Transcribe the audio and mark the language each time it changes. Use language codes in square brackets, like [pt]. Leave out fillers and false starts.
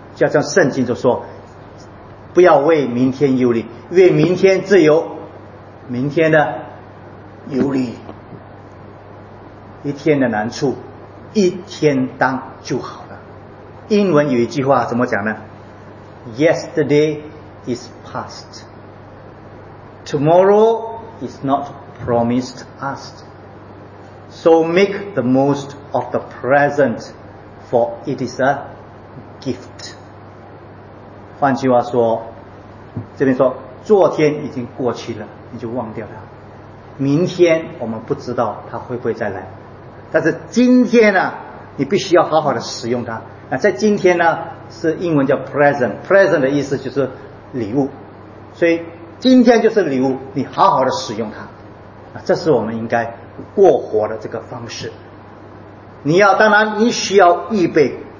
[zh] 就像圣经就说，不要为明天忧虑，因为明天自有明天的忧虑，一天的难处一天当就好了。英文有一句话怎么讲呢？ [en] Yesterday is past, tomorrow is not promised us, so make the most of the present, for it is a gift. [zh] 换句话说，这边说昨天已经过去了，你就忘掉了，明天我们不知道它会不会再来，但是今天呢，你必须要好好的使用它。那在今天呢，是英文叫 present 的意思就是礼物，所以今天就是礼物，你好好的使用它，这是我们应该过活的这个方式。你要当然你需要预备